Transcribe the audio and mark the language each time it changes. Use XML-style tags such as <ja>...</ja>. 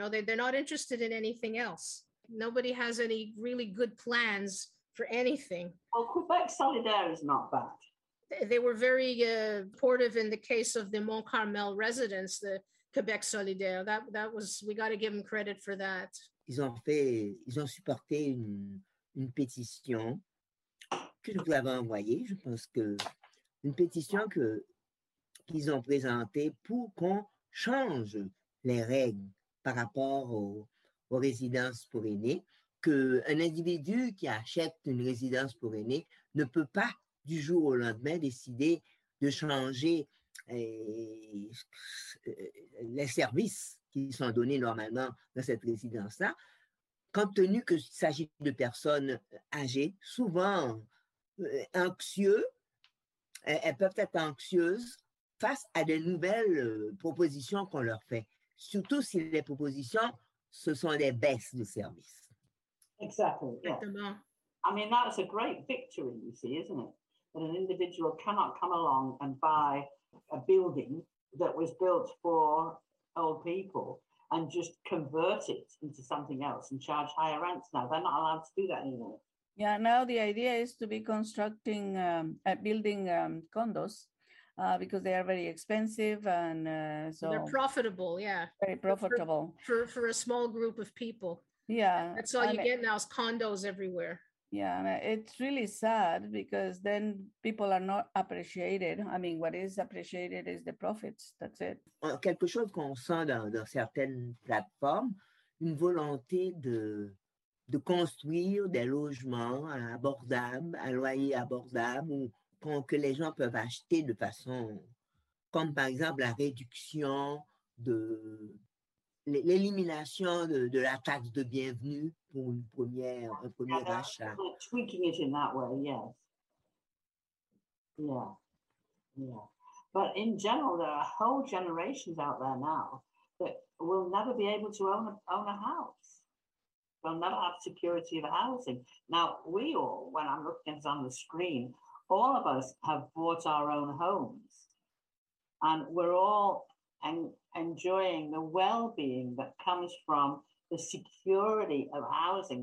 <en>You know, they're not interested in anything else. Nobody has any really good plans for anything. Well, Quebec Solidaire is not bad. They were very supportive in the case of the Mont Carmel residence, the Quebec Solidaire. That was, we got to give them credit for that.</en> <fr>Ils ont supporté une pétition que nous avons envoyée, je pense que une pétition que qu'ils ont présentée pour qu'on change les règles par rapport aux résidences pour aînés, qu'un individu qui achète une résidence pour aînés ne peut pas du jour au lendemain décider de changer les services qui sont donnés normalement dans cette résidence-là, compte tenu qu'il s'agit de personnes âgées, souvent anxieuses, elles peuvent être anxieuses face à des nouvelles propositions qu'on leur fait, surtout si les propositions ce sont des baisses de services.</fr> <en>Exactly. Yeah. I mean, that's a great victory, you see, isn't it? That an individual cannot come along and buy a building that was built for old people and just convert it into something else and charge higher rents. Now, they're not allowed to do that anymore. Yeah, now the idea is to be constructing, building condos. Because they are very expensive and so they're profitable, yeah. Very profitable. For a small group of people. Yeah. That's all you get now is condos everywhere. Yeah, it's really sad because then people are not appreciated. I mean, what is appreciated is the profits, that's it.</en> <fr>Quelque chose qu'on sent dans certaines plateformes, une volonté de construire des logements abordables, à loyer abordable ou que les gens peuvent acheter de façon, comme par exemple la réduction de l'élimination de la taxe de bienvenue pour une première un premier achat.</fr> <en>Like tweaking it in that way, yes, yeah. But in general, there are whole generations out there now that will never be able to own a house. They'll never have security of housing. Now we all, when I'm looking at it on the screen, all of us have bought our own homes and we're all enjoying the well-being that comes from the security of housing.</en>